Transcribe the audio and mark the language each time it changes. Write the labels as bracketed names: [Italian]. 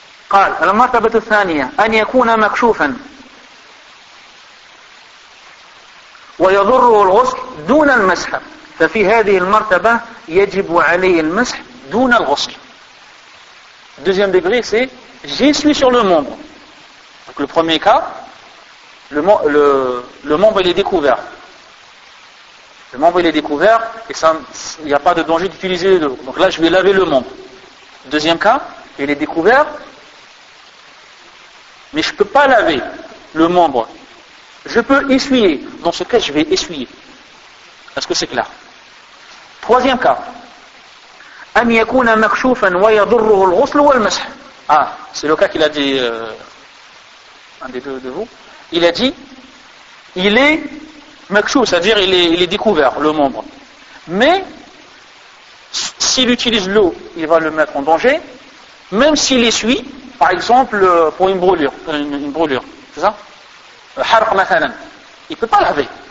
[Arabic] قال المرتبة الثانية أن يكون مكشوفا ويضره الغسل دون المسح ففي هذه المرتبة يجب عليه المسح دون الغسل [French] deuxième degré c'est j'y suis sur le membre donc le premier cas le membre il est découvert le membre il est découvert et ça il n'y a pas de danger d'utiliser l'eau donc là je vais laver le membre deuxième cas il est découvert Mais je ne peux pas laver le membre. Je peux essuyer. Dans ce cas, je vais essuyer. Est-ce que c'est clair? Troisième cas. [Arabic] أن يكون مكشوفا ويضره الغسل والمسح. [French] Ah, c'est le cas qu'il a dit un des deux de vous. Il a dit, il est مكشوف, c'est-à-dire il est découvert, le membre. Mais, s'il utilise l'eau, il va le mettre en danger. Même s'il essuie, par exemple, pour une brûlure, c'est ça? [Arabic] Harq mathalan. [French] Il ne peut pas laver.